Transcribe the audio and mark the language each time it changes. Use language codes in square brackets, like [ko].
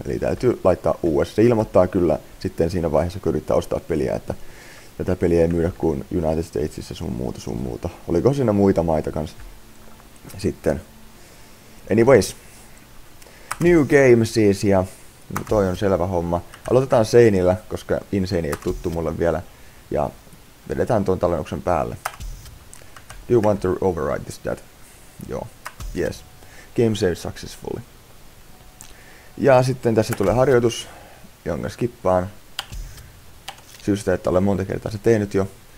[fi] Eli täytyy laittaa US. Se ilmoittaa kyllä sitten siinä vaiheessa, kun yrittää ostaa peliä, että tätä peliä ei myydä kuin United Statesissa sun muuta. Oliko siinä muita maita kanssa sitten? Anyways. New game siis, ja toi on selvä homma. Aloitetaan seinillä, koska Insane ei tuttu mulle vielä. Ja vedetään tuon tallennuksen päälle. [en] Do you want to override this dad? Joo. Yes. Game saved successfully. [fi] Ja sitten tässä tulee harjoitus, jonka skippaan. Syystä, että olen monta kertaa se tehnyt jo.